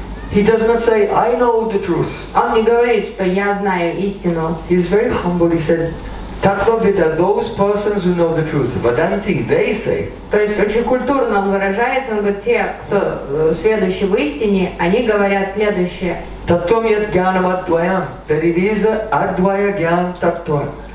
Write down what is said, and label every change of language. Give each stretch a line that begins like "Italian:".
English: He does not say, I know the truth.
Russian: Он не говорит, что я знаю истину.
English: He is very humble, he said, Tattva Vida, those persons who know the truth, Vedanti, they say.
Russian: То есть очень культурно он выражается, он говорит, те, кто сведущий в истине, они говорят следующее.
Sanskrit: Tattvam yad jnanam advayam, that it is advaya jnanam tattva.